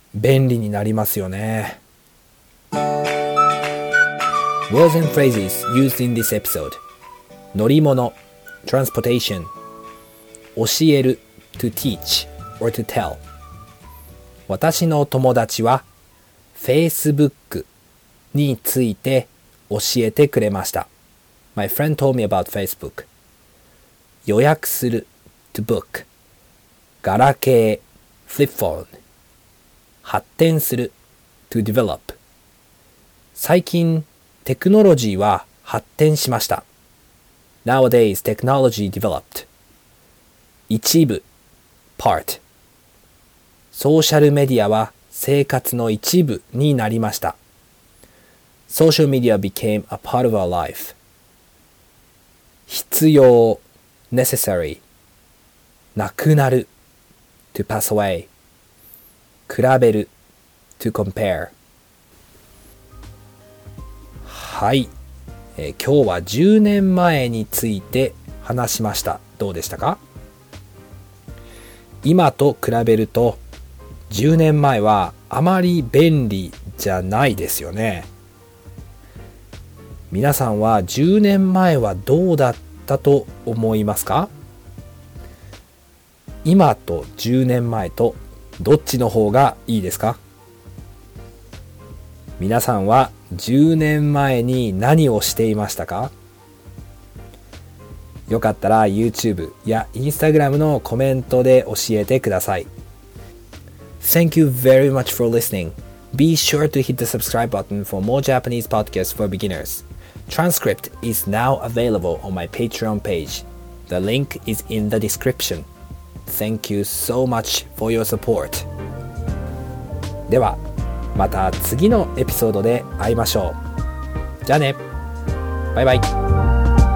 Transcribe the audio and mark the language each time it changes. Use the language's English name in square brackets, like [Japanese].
[Japanese] 便利になりますよね。 [English] Words and phrases used in this episode: 乗り物 transportation、 教える to teach or to tell。 [Japanese] 私の友達は Facebook について教えてくれました。 [English] My friend told me about Facebook。予約する to book、 ガラケー flip phone、 発展する to develop。 [Japanese] 最近テクノロジーは発展しました。 [English] Nowadays technology developed。 一部 part。 [Japanese] ソーシャルメディアは生活の一部になりました。 [English] Social media became a part of our life. 必要 necessary. なくなる to pass away. 比べる to compare. [Japanese] はい、今日は10年前について話しました。どうでしたか？今と比べると10年前はあまり便利じゃないですよね。皆さんは10年前はどうだったと思いますか？今と10年前とどっちの方がいいですか？皆さんは10年前に何をしていましたか？よかったら YouTube や Instagram のコメントで教えてください。 [English] Thank you very much for listening. Be sure to hit the subscribe button for more Japanese podcasts for beginners. Transcript is now available on my Patreon page. The link is in the description. Thank you so much for your support. [Japanese] では、また次のエピソードで会いましょう。じゃあね。バイバイ。